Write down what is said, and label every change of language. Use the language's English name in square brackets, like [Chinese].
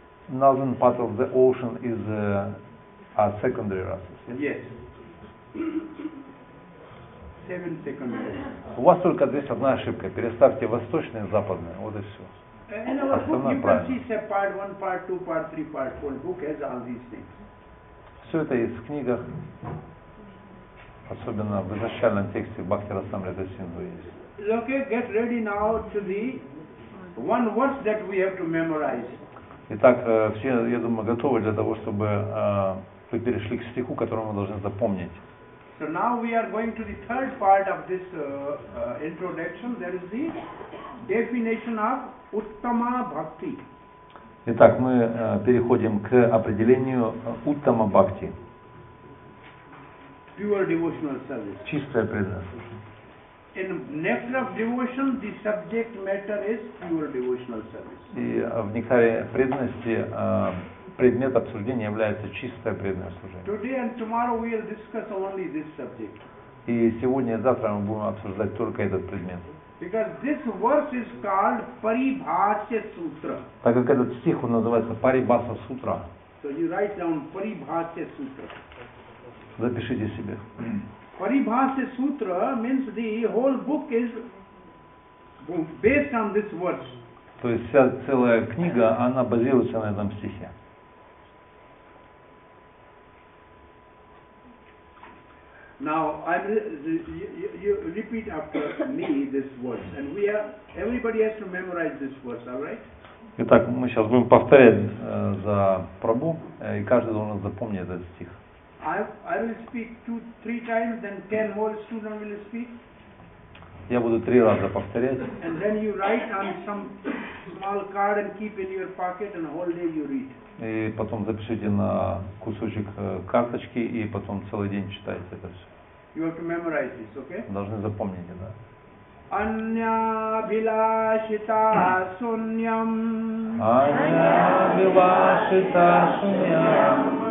[English] Northern part of the ocean is a secondary rasa. Yes. Yes. 7 secondary. [Russian] У вас только здесь одна ошибка. Переставьте восточное и западное. Вот и все. [English] In our book, you can see, say, part 1, part 2, part 3, part 4. Book has all these things. [Russian] Все это есть в книгах, особенно в изначальном тексте Бхактирасамрита Синдху есть. [English] Okay, get ready now to the one verse that we have to memorize. [Russian] Итак, все, я думаю, готовы для того, чтобы вы перешли к стиху, который мы должны запомнить. [English] So now we are going to the third part of this introduction. That is the definition of Uttama Bhakti. [Russian] Итак, мы переходим к определению Uttama Bhakti. [English] Pure devotional service. [Russian] Чистое преданное. [English] In nectar of devotion, the subject matter is pure devotional service. [Russian] И в нектаре преданности предмет обсуждения является чистое преданное служение. [English] Today and tomorrow we will discuss only this subject. [Russian] И сегодня и завтра мы будем обсуждать только этот предмет. [English] Because this verse is called Paribhasya Sutra. [Russian] Так как этот стих он называется Paribhasya Sutra. [English] So you write down Paribhasya Sutra. [Russian] Запишите себе. [English] Paribhasya Sutra means the whole book is based on this verse. [Russian] То есть вся целая книга, она базируется на этом стихе. [English] Now I you repeat after me this verse, and we are everybody has to memorize this verse, all right? [Russian] Итак, мы сейчас будем повторять за Прабу, и каждый должен запомнить этот стих. [English] I will speak 2-3 times, then 10 more students will speak. [Russian] Я буду 3 раза повторять. [English] And then you write on some small card and keep in your pocket, and whole day you read. [Russian] И потом запишите на кусочек карточки и потом целый день читайте это все. [English] You have to memorize this, okay? [Russian] Должны запомнить это. [Sanskrit] Анья билашита суньям. Анья билашита суньям.